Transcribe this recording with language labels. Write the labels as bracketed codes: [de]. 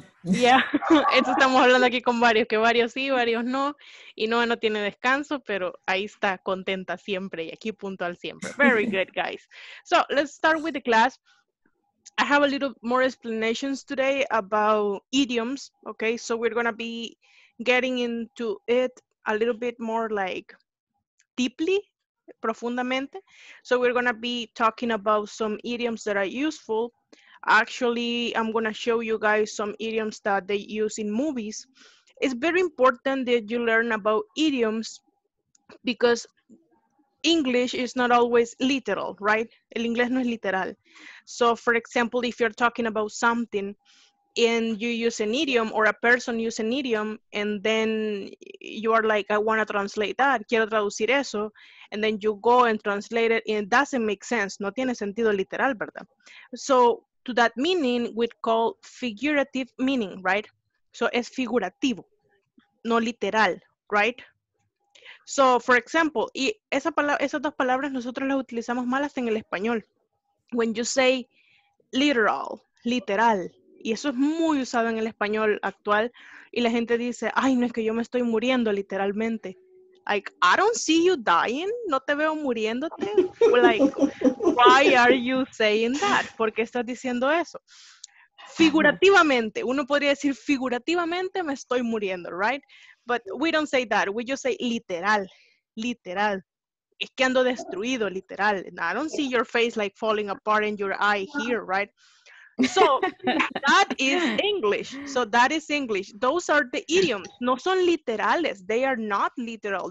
[es] Yeah, esto estamos hablando aquí con varios, que varios sí, varios no, y Noah no tiene descanso, pero ahí está contenta siempre y aquí puntual siempre. [en] Very good, guys. So, let's start with the class. I have a little more explanations today about idioms, okay? So, we're going to be getting into it a little bit more like deeply, profundamente. So, we're going to be talking about some idioms that are useful. Actually, I'm going to show you guys some idioms that they use in movies. It's very important that you learn about idioms because English is not always literal, right? [es] El inglés no es literal. [en] So, for example, if you're talking about something and you use an idiom or a person use an idiom and then you are like, I want to translate that, [es] quiero traducir eso, [en] and then you go and translate it and it doesn't make sense. [es] No tiene sentido literal, ¿verdad? [en] So, to that meaning, we call figurative meaning, right? [es] So, es figurativo, no literal, right? [en] So, for example, [es] y esas dos palabras nosotros las utilizamos malas en el español. [en] When you say literal, [es] y eso es muy usado en el español actual, y la gente dice, ay, no, es que yo me estoy muriendo literalmente. [en] Like, I don't see you dying, [es] no te veo muriéndote. [en] Like, why are you saying that? [es] ¿Por qué estás diciendo eso? Figurativamente, uno podría decir figurativamente me estoy muriendo, right? [en] But we don't say that, we just say literal. [es] Es que ando destruido, literal. [en] And I don't see your face like falling apart in your eye here, right? So, that is English. So, that is English. Those are the idioms. [es] No son literales. [en] They are not literal.